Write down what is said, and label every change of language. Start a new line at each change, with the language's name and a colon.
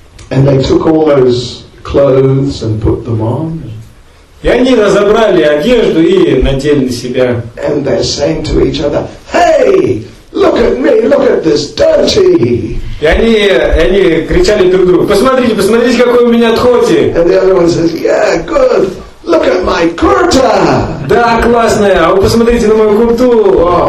English: And they took all those clothes and put them on.
Russian: И они разобрали одежду и надели на себя.
English: And they're saying to each other, hey, look at me, look at this dirty.
Russian: И они кричали друг другу, посмотрите, посмотрите, какой у меня дхоти.
English: And the other one says, yeah, good, Look at my kurta!
Russian: Да, классная. А вы посмотрите на мою курту.